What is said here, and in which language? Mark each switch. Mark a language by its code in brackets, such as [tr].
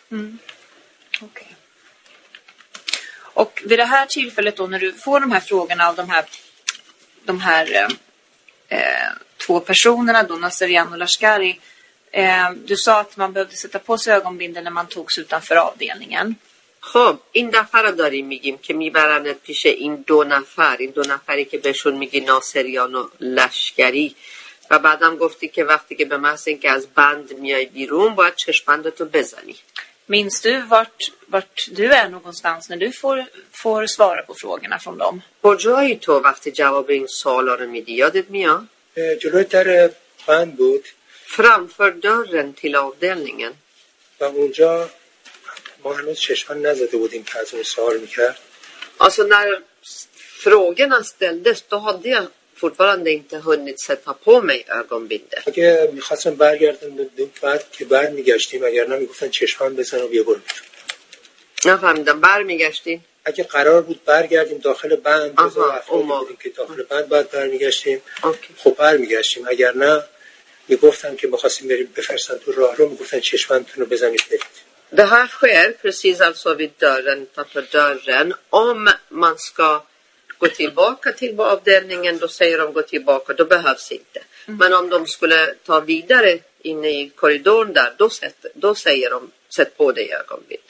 [sv] Mm. Okay. Och vid det här tillfället då när du får de här frågorna av de här två personerna då, Nasserian och Lashkari. Du sa att man behövde sätta på sig ögonbindeln när man togs utanför avdelningen. [fa] خب این نفر رو داریم میگیم که میبرند پیش این دو نفری که بهشون میگی ناصریان و لشکری و بعدم گفتی که وقتی که به محض اینکه از بند میای بیرون باید چشمبندتو بزنی. [sv] Minns du vart du är någonstans när du får svara på frågorna från dem? [fa] کجایی تو وقتی جواب این سوالا رو میدی یادت میاد؟ جلوی در بند بود. [sv] Framför dörren till avdelningen. [fa] و اونجا ما هنوز چشمان نزده بودیم که از اون سوال میکرد. [sv] Alltså när frågorna ställdes då hade jag fortfarande inte hunnit sätta på mig ögonbindel. [fa] اگه میخواستم برگردم بعد که بعد میگشتیم اگر نه میگفتن چشمان بزن و بیا برو. نفهمیدم برمیگشتیم. اگه قرار بود برگردیم داخل بند بزن که داخل بند بعد برمیگشتیم. خب برمیگشتیم اگر نه میگفتن که میخواستیم بریم بفرستن تو راه رو میگفتن چشمانتون رو بزنید برید. [sv] Det här sker precis alltså vid dörren, utanför dörren. Om man ska gå tillbaka till avdelningen, då säger de gå tillbaka, då behövs inte. Mm. Men om de skulle ta vidare inne i korridoren där, då säger de sätt på dig ögonbind.